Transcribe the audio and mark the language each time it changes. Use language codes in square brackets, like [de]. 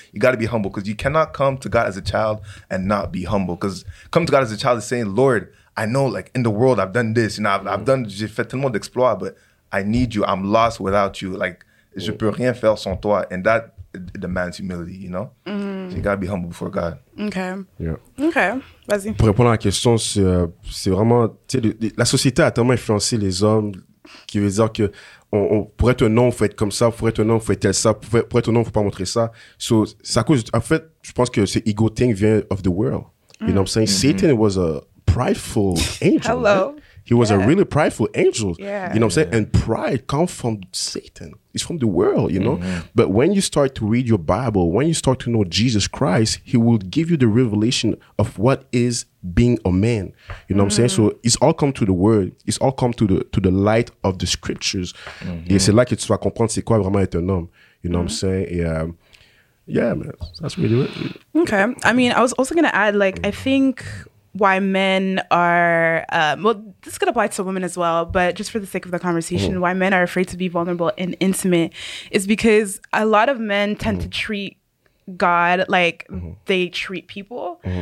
[en] You got to be humble, because you cannot come to God as a child and not be humble. Because come to God as a child is saying, Lord, I know like in the world I've done this, you know, I've done, [fr] j'ai fait tellement d'exploits, [en] but I need you. I'm lost without you. Like, [fr] je peux rien faire sans toi. [en] And that demands humility, you know? So you got to be humble before God. Okay. Yeah. [fr] Okay. Vas-y. Pour répondre à la question, c'est vraiment, tu sais, la société a tellement influencé les hommes, qui veut dire que on, pour être un homme, il faut être comme ça, pour être un homme, il faut être tel ça, pour être un homme, il ne faut pas montrer ça. [en] So, [fr] ça cause, en fait, je pense que ce [en] ego thing vient of the world. You know what I'm saying? Satan was a prideful angel. Hello. Right? He was a really prideful angel. Yeah. You know what I'm saying? And pride comes from Satan. It's from the world, you know? Mm-hmm. But when you start to read your Bible, when you start to know Jesus Christ, he will give you the revelation of what is being a man. You know what I'm saying? So it's all come to the word. It's all come to the light of the scriptures. Mm-hmm. [fr] Et c'est là que tu vas comprendre c'est quoi vraiment être un homme. [en] You know what I'm saying? Yeah, man. That's really it. Okay. I mean, I was also going to add, like, I think why men are, well, this could apply to women as well, but just for the sake of the conversation, why men are afraid to be vulnerable and intimate is because a lot of men tend to treat God like they treat people.